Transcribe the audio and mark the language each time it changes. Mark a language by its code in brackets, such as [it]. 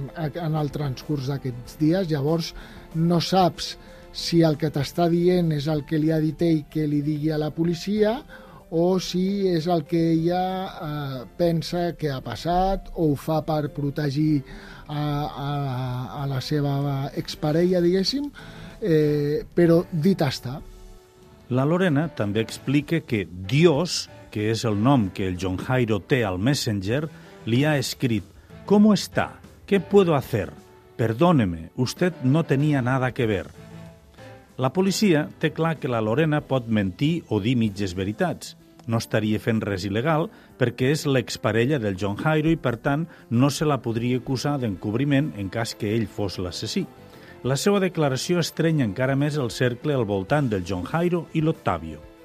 [ca] En el transcurs d'aquests dies, llavors no saps si el que t'està dient és el que li ha dit ell que li digui a la policia o si és el que ella pensa que ha passat o ho fa per protegir a la seva exparella, diguéssim, però dit està. La Lorena també explica que Dios, que és el nom que el John Jairo té al Messenger, li ha escrit [es] «¿Cómo está? ¿Qué puedo hacer? Perdóneme, usted no tenía nada que ver». [ca] La policia té clar que la Lorena pot mentir o dir mitges veritats. No estaria fent res il·legal perquè és l'exparella del John Jairo i, per tant, no se la podria acusar d'encobriment en cas que ell fos l'assassí. La seva declaració estreny encara més el cercle al voltant del John Jairo i l'Ottavio.